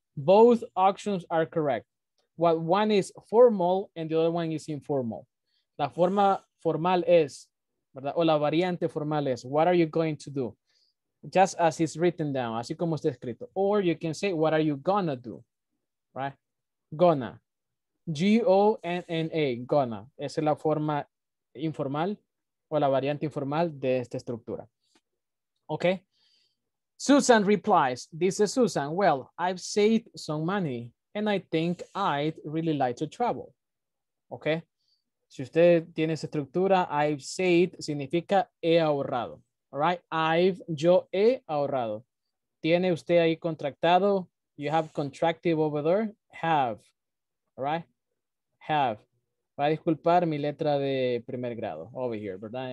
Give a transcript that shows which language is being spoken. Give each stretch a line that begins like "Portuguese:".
English: Both options are correct. Well, one is formal and the other one is informal.
Spanish: La forma formal es, ¿verdad? O la variante formal es,
English: what are you going to do? Just as it's written down,
Spanish: así como está escrito.
English: Or you can say, what are you gonna do? Right? Gonna. G-O-N-N-A. Gonna.
Spanish: Esa es la forma informal o la variante informal de esta estructura.
English: Okay? Susan replies. This is Susan. Well, I've saved some money and I think I'd really like to travel. Okay?
Spanish: Si usted tiene esa estructura,
English: I've saved
Spanish: significa he ahorrado. All right, I've, yo he ahorrado. Tiene usted ahí contractado.
English: You have contracted over there. Have, all right, have.
Spanish: Va a disculpar mi letra de primer grado
English: over here,
Spanish: ¿verdad?